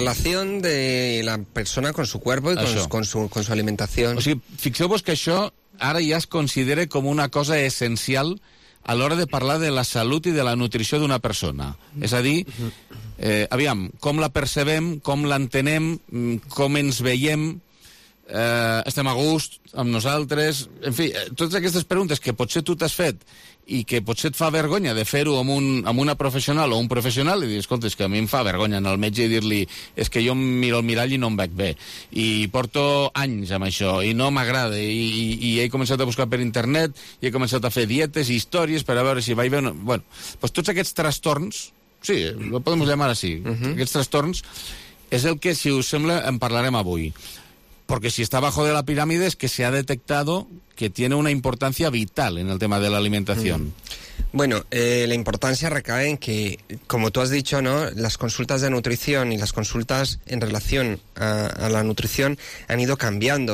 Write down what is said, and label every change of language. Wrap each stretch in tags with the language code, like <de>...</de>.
<es>Relación de la persona con su cuerpo y con su alimentación.</es> <ca>O sigui, fixeu-vos que això ara ja es considera com una cosa essencial a l'hora de parlar de la salut i de la nutrició d'una persona. És a dir, aviam, com la percebem, com l'entenem, com ens veiem, estem a gust amb nosaltres... En fi, totes aquestes preguntes que potser tu t'has fet i que potser et fa vergonya de fer-ho amb una professional o un professional, i dir, escolta, és que a mi em fa vergonya anar al metge i dir-li, és que jo em miro al mirall i no em veig bé, i porto anys amb això, i no m'agrada, i he començat a buscar per internet, i he començat a fer dietes i històries per a veure si vaig bé o no. Bueno, doncs tots aquests trastorns, sí, ho podem llamar així, aquests trastorns, és el que, si us sembla, en parlarem avui.</ca> <es>Porque si está abajo de la pirámide es que se ha detectado que tiene una importancia vital en el tema de la alimentación. Bueno, la importancia recae en que, como tú has dicho, ¿no?, las consultas de nutrición y las consultas en relación a la nutrición han ido cambiando.</es>